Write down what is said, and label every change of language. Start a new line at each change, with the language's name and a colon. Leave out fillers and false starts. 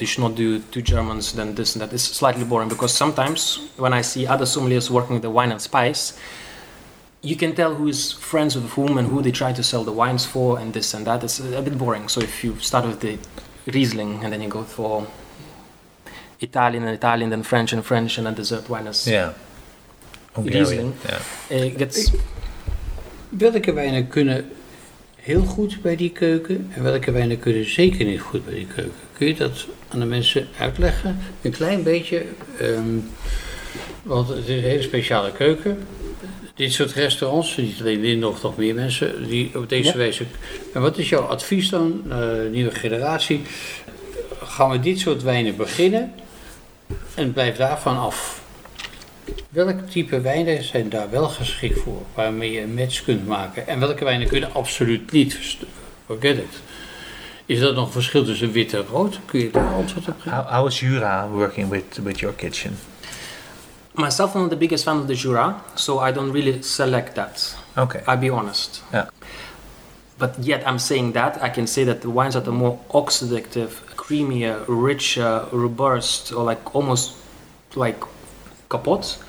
English: You should not do two Germans, then this and that. It's slightly boring because sometimes when I see other sommeliers working with the wine and spice, you can tell who is friends with whom and who they try to sell the wines for and this and that. It's a bit boring. So if you start with the Riesling and then you go for Italian, then French and French and then dessert wine is Riesling, yeah. It gets...
Dutch: Welke wijnen kunnen heel goed bij die keuken en welke wijnen kunnen zeker niet goed bij die keuken? Kun je dat aan de mensen uitleggen? Een klein beetje, want het is een hele speciale keuken. Dit soort restaurants, niet alleen Lindhof, nog meer mensen die op deze wijze. En wat is jouw advies dan, nieuwe generatie? Gaan we dit soort wijnen beginnen en blijf daarvan af? Welke type wijnen zijn daar wel geschikt voor, waarmee je een match kunt maken? En welke wijnen kunnen absoluut niet?
English: Forget it.
Dutch: Is dat nog een verschil tussen wit en rood? Kun je daar antwoord op geven?
English: How is Jura working with your kitchen? Myself, I'm not the biggest fan of the Jura, so I don't really select that. Okay. I'll be honest. Yeah. But yet, I'm saying that, I can say that the wines that are more oxidative, creamier, richer, robust, or like almost like kapot,